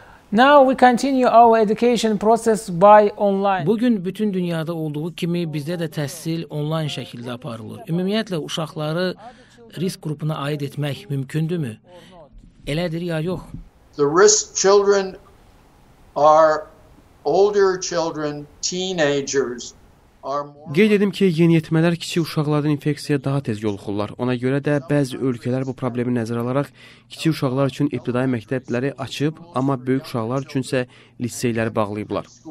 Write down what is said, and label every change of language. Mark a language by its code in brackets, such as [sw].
[en] Now we continue our education process by online. [az] Bugün bütün dünyada olduğu kimi bizdə də təhsil onlayn şəkildə aparılır. Ümumiyyətlə uşaqları risk qrupuna aid etmək mümkündürmü? Elədir ya yox? [en] The risk children are older children, teenagers. [az] Qeyd edim ki, yeniyetmələr kiçik uşaqlardan infeksiyaya daha tez yoluxurlar. Ona görə də bəzi ölkələr bu problemi nəzərə alaraq kiçik uşaqlar üçün ibtidai məktəbləri açıb, amma böyük uşaqlar üçünsə liseyləri bağlayıblar.